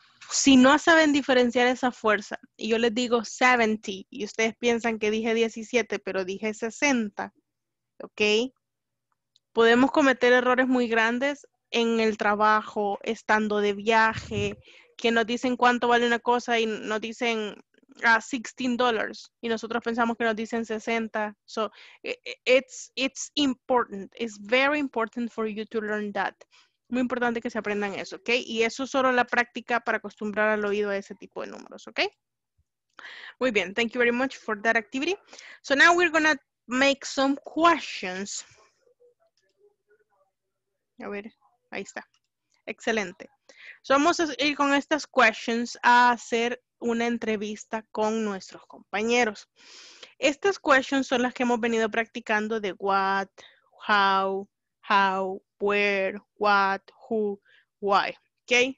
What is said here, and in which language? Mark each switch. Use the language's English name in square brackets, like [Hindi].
[Spanish] Si no saben diferenciar esa fuerza, y yo les digo 70, y ustedes piensan que dije 17, pero dije 60, ¿ok? Podemos cometer errores muy grandes en el trabajo, estando de viaje, que nos dicen cuánto vale una cosa y nos dicen $16, y nosotros pensamos que nos dicen 60. [English] So, it's important. It's very important for you to learn that. [Spanish] Muy importante que se aprendan eso, ¿ok? Y eso es solo la práctica para acostumbrar al oído a ese tipo de números, ¿ok? Muy bien. [English] Thank you very much for that activity. So now we're going to make some questions. [Spanish] A ver, ahí está. Excelente. So vamos a ir con estas questions a hacer una entrevista con nuestros compañeros. Estas questions son las que hemos venido practicando de what, how, where, what, who, why. ¿Ok?